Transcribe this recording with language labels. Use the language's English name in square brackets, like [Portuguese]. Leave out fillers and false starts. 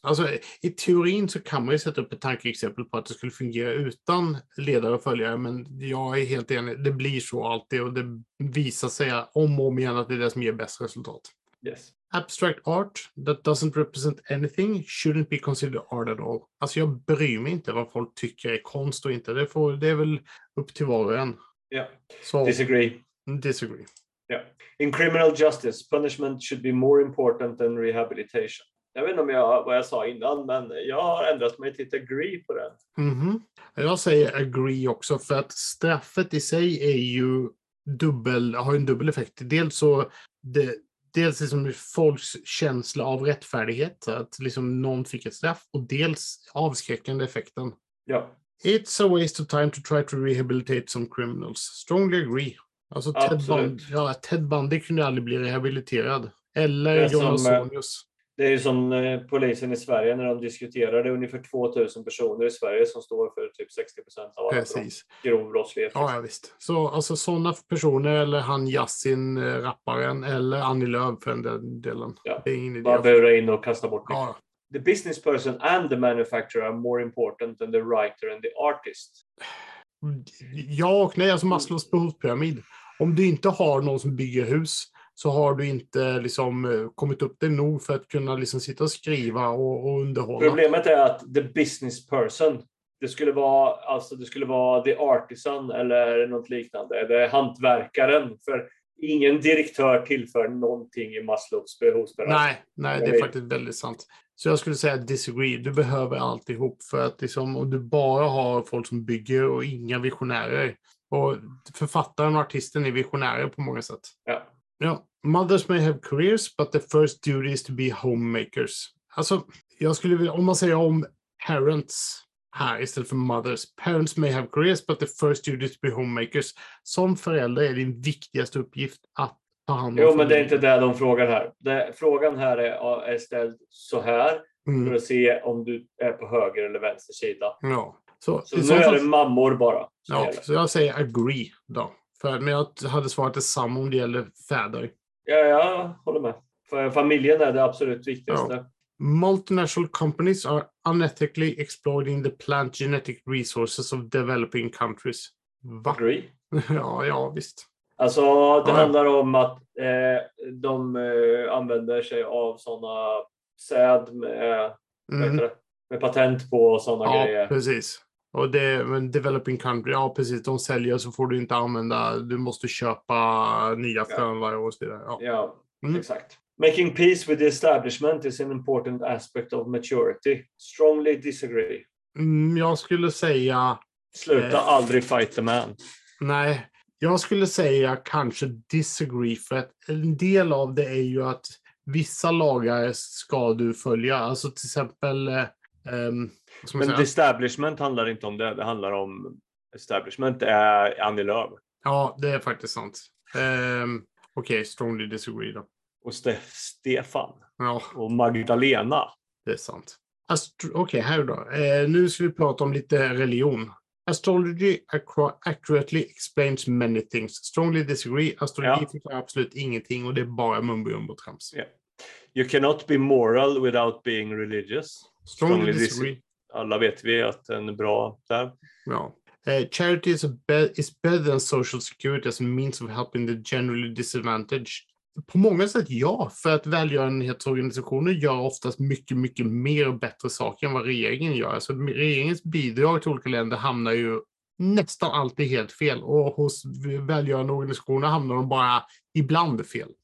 [Swedish] Alltså, i teorin så kan man ju sätta upp ett tankeexempel på att det skulle fungera utan ledare och följare, men jag är helt enig, det blir så alltid och det visar sig om och om igen att det är det som ger bäst resultat. [English] Yes. Abstract art that doesn't represent anything shouldn't be considered art at all. [Swedish] Alltså jag bryr mig inte vad folk tycker är konst och inte. Det är väl upp till var och en. [English] Yeah. Disagree. Yeah. In criminal justice, punishment should be more important than rehabilitation. [Swedish] Jag vet inte om vad jag sa innan, men jag har ändrat mig till ett agree på det. Mm-hmm. Jag säger agree också, för att straffet i sig är ju har en dubbel effekt. Dels så dels liksom folks känsla av rättfärdighet, att liksom någon fick ett straff, och dels avskräckande effekten. Ja. [English] It's a waste of time to try to rehabilitate some criminals. Strongly agree. [Swedish] Alltså Ted Bundy kunde aldrig bli rehabiliterad. Eller Jonas Sonius. Det är ju som polisen i Sverige när de diskuterar. Det är ungefär 2000 personer i Sverige som står för typ 60% av precis. Alla grov brottslighet. Ja, visst. Så alltså, sådana personer, eller han Yasin, rapparen, eller Annie Lööf för den delen. Ja. Det är ingen idé. Bara bura in och kasta bort. Ja. [English] The business person and the manufacturer are more important than the writer and the artist. [Swedish] Ja och nej, alltså Maslows behovspyramid. Om du inte har någon som bygger hus, så har du inte liksom kommit upp det nog för att kunna liksom sitta och skriva och underhålla. Problemet är att [English] the business person, [Swedish] det skulle vara [English] the artisan [Swedish] eller något liknande, eller hantverkaren, för ingen direktör tillför någonting i Maslows behovspyramid. Nej, det är faktiskt väldigt sant. Så jag skulle säga disagree. Du behöver alltihop, för att liksom, om du bara har folk som bygger och inga visionärer. Och författaren och artisten är visionärer på många sätt. Ja. Ja, [English] mothers may have careers, but the first duty is to be homemakers. [Swedish] Alltså, jag skulle vilja, om man säger om parents här istället för mothers. [English] Parents may have careers, but the first duty is to be homemakers. [Swedish] Som förälder är din viktigaste uppgift att ta hand om. Jo, men det är inte det de frågar här. Frågan här är ställd så här. Mm. För att se om du är på höger eller vänster sida. Ja. Så nu är det mammor bara. Ja, så jag säger agree då. Men jag hade svarat detsamma om det gäller fäder. Ja, jag håller med. För familjen är det absolut viktigaste. Ja. [English] Multinational companies are unethically exploiting the plant genetic resources of developing countries. [Swedish] Va? Agree. Ja, ja, visst. Alltså, det handlar om att de använder sig av sådana säd med patent på sådana grejer. Ja, precis. Och det är en developing country. Ja, precis. De säljer så får du inte använda. Du måste köpa nya frön varje år och så vidare. Ja, ja exakt. [English] Making peace with the establishment is an important aspect of maturity. Strongly disagree. [Swedish] Jag skulle säga... Sluta aldrig [English] fight the man. [Swedish] Nej, jag skulle säga kanske disagree. För att en del av det är ju att vissa lagar ska du följa. Alltså till exempel... Men establishment handlar inte om det. Det handlar om establishment. Det är Annie Lööf. Ja, det är faktiskt sant. Okej, [English] okay, strongly disagree [Swedish] då. Och Stefan. Ja. Och Magdalena. Det är sant. Okej, här då. Nu ska vi prata om lite religion. [English] Astrology accurately explains many things. Strongly disagree. [Swedish] Astrology förklarar absolut ingenting och det är bara mumbo-jumbo trams. [English] Yeah. You cannot be moral without being religious. Strongly disagree. [Swedish] Alla vet vi att den är bra där. Ja. [English] Charity is better than social security as a means of helping the generally disadvantaged. [Swedish] På många sätt ja, för att välgörenhetsorganisationer gör oftast mycket, mycket mer och bättre saker än vad regeringen gör. Så regeringens bidrag till olika länder hamnar ju nästan alltid helt fel. Och hos välgörande organisationer hamnar de bara ibland fel.